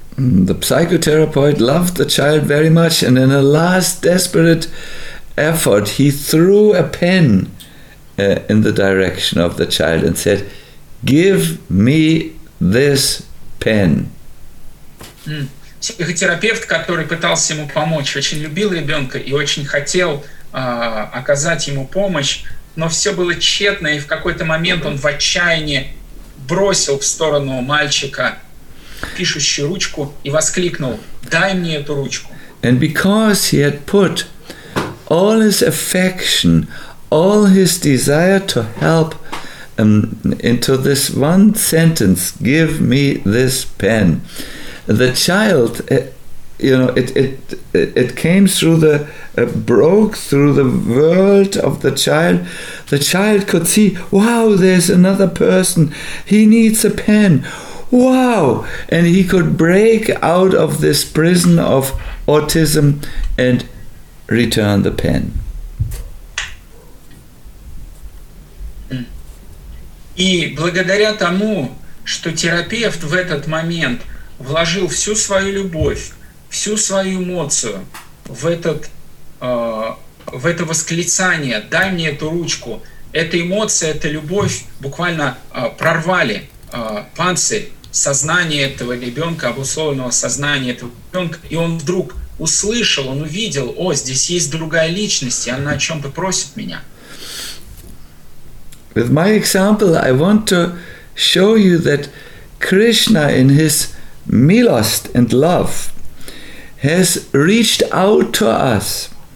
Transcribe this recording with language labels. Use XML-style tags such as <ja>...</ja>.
<en>The psychotherapist loved the child very much, and in a last desperate effort, he threw a pen in the direction of the child and said, "Give me this pen."</en> <ru>Психотерапевт, который пытался ему помочь, очень любил ребенка и очень хотел оказать ему помощь, но все было тщетно, и в какой-то момент он в отчаянии бросил в сторону мальчика пишущую ручку и воскликнул: "Дай мне эту ручку!"</ru> <en>And because he had put all his affection, all his desire to help into this one sentence, "Give me this pen," the child, you know, it came through the broke through the world of the child. The child could see, wow, there's another person. He needs a pen. Wow, and he could break out of this prison of autism and return the pen.</en> <ru>И благодаря тому, что терапевт в этот момент вложил всю свою любовь, всю свою эмоцию в этот в это восклицание «Дай мне эту ручку», эта эмоция, эта любовь буквально прорвали панцирь сознания этого ребенка, обусловленного сознания этого ребенка, и он вдруг услышал, он увидел: «О, здесь есть другая личность, и она о чем-то просит меня».</ru> <en>With my example, I want to show you that Krishna, in his milost and love, has reached out to us.</en>